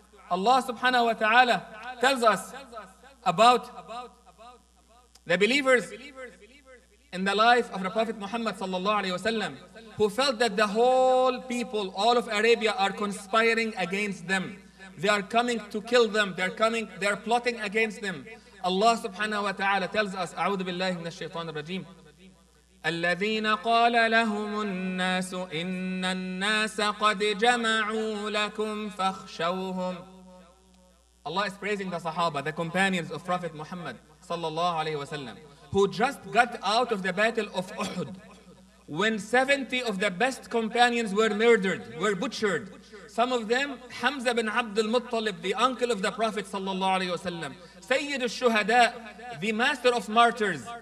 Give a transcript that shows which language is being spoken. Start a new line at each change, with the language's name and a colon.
English: Allah subhanahu wa ta'ala tells us about the believers in the life of the Prophet Muhammad sallallahu alayhi wa sallam, who felt that the whole people, all of Arabia, are conspiring against them. They are coming to kill them. They're plotting against them. Allah subhanahu wa ta'ala tells us, A'udhu billahi min ash-shaytanir rajim.
Arabic: الذين قال لهم الناس إن الناس قد جمعوا لكم فاخشوهم.
English: Allah is praising the Sahaba, the companions of Prophet Muhammad sallallahu alayhi wasallam, who just got out of the battle of Uhud, when 70 of the best companions were murdered, were butchered. Some of them, Hamza bin Abdul Muttalib, the uncle of the Prophet sallallahu alayhi wasallam, Sayyid al-Shuhada, the master of martyrs.